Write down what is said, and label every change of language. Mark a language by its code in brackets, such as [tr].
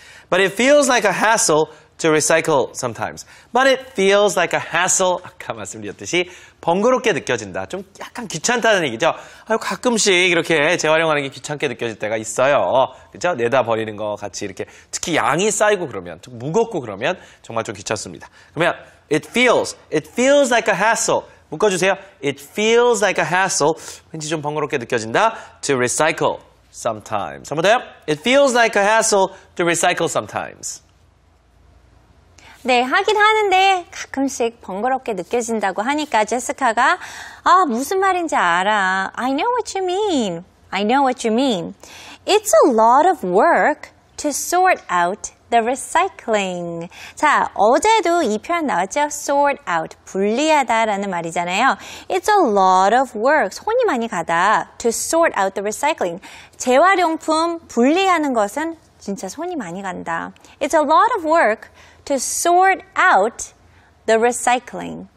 [en] But it feels like a hassle to recycle sometimes. But it feels like a hassle. [ko] 아까 말씀드렸듯이 번거롭게 느껴진다. 좀 약간 귀찮다는 얘기죠. 아유, 가끔씩 이렇게 재활용하는 게 귀찮게 느껴질 때가 있어요. 그렇죠? 내다 버리는 거 같이 이렇게 특히 양이 쌓이고 그러면 좀 무겁고 그러면 정말 좀 귀찮습니다. 그러면 [en] it feels like a hassle. [ko] 묶어주세요. [en] It feels like a hassle. [ko] 왠지 좀 번거롭게 느껴진다. [en] To recycle sometimes. [ko] 한 번 더요. [en] It feels like a hassle to recycle sometimes. [ko] 네, 하긴 하는데 가끔씩 번거롭게 느껴진다고 하니까 제스카가 아, 무슨 말인지 알아. [en] I know what you mean. I know what you mean. It's a lot of work to sort out the recycling. [ko] 자, 어제도 이 표현 나왔죠? sort out, 분리하다라는 말이잖아요. [en] It's a lot of work, [ko] 손이 많이 가다. [en] to sort out the recycling. [ko] 재활용품 분리하는 것은 진짜 손이 많이 간다. [en] It's a lot of work to sort out the recycling.